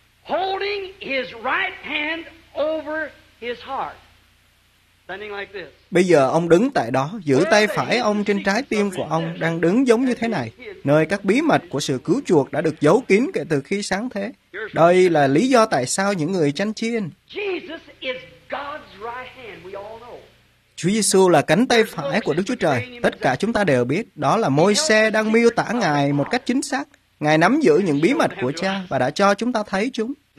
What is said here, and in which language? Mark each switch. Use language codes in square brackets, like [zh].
[en] Holding his right hand over his heart. Standing like this. [vi] Bây giờ ông đứng tại đó, giữ tay phải ông trên trái tim của ông đang đứng giống như thế này, nơi các bí mật của sự cứu chuộc đã được giấu kín kể từ khi sáng thế. Đây là lý do tại sao những người chăn chiên. [en] Jesus is God's right hand, we all know. [vi] Chúa Giê-xu là cánh tay phải của Đức Chúa Trời. Tất cả chúng ta đều biết, đó là Môi-se đang miêu tả Ngài một cách chính xác. Ngài nắm giữ những bí mật của cha và đã cho chúng ta thấy chúng.